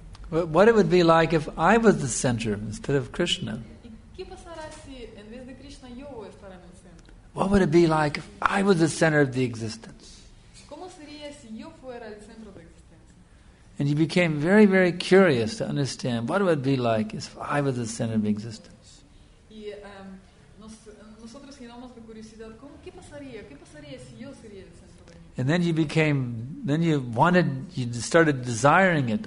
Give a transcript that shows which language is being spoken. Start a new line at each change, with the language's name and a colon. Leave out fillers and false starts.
English: But what it would be like if I was the center instead of Krishna?
Spanish: ¿Y qué pasará si en vez de Krishna yo voy a estar en el centro?
English: What would it be like if I was the center of the existence?
Spanish: ¿Cómo sería si yo fuera el centro de existencia?
English: And you became very, very curious to understand what it would be like if I was the center of existence.
Spanish: Y nosotros llenamos de curiosidad, ¿qué pasaría? ¿Qué pasaría si yo sería el centro?
English: And you started desiring it.